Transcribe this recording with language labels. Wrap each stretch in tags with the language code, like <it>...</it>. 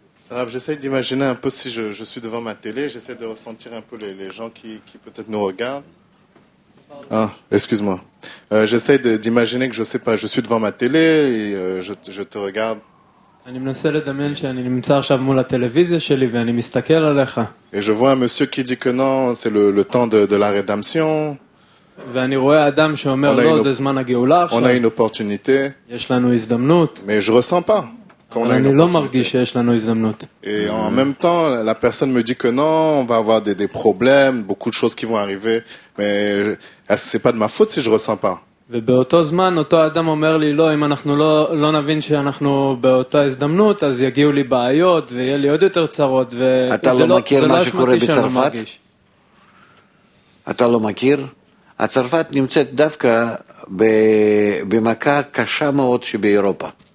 <fr>Alors, j'essaie d'imaginer un peu si je suis devant ma télé, j'essaie de ressentir un peu les gens qui peut-être nous regardent. Ah, excuse-moi. J'essaie d'imaginer que je sais pas, je suis devant ma télé et je te regarde.</fr> <he>אני מנסה לדמיין שאני נמצא עכשיו מול הטלוויזיה שלי ואני מסתכל עליך.</he> <fr>Et je vois un monsieur qui dit que non, c'est le temps de la rédemption.</fr> <he>ואני רואה אדם שאומר לא, זה זמן הגאולה עכשיו.</he> <fr>On a une opportunité.</fr> <he>יש לנו הזדמנות.</he> <fr>Mais je ressens pas.</fr> <he>אבל אני לא מרגיש שיש לנו הזדמנות.</he> <fr>Et en même temps, la personne me dit que non, on va avoir des problèmes, beaucoup de choses qui vont arriver, mais c'est pas de ma faute si je ressens pas.</fr> <he>ובאותו זמן, אותו אדם אומר לי, לא, אם אנחנו לא נבין שאנחנו באותה הזדמנות, אז יגיעו לי בעיות, ויהיה לי עוד יותר צרות, אתה לא מכיר מה שקורה בצרפת? אתה לא מכיר? הצרפת נמצאת דווקא במכה קשה מאוד שבאירופה.</he>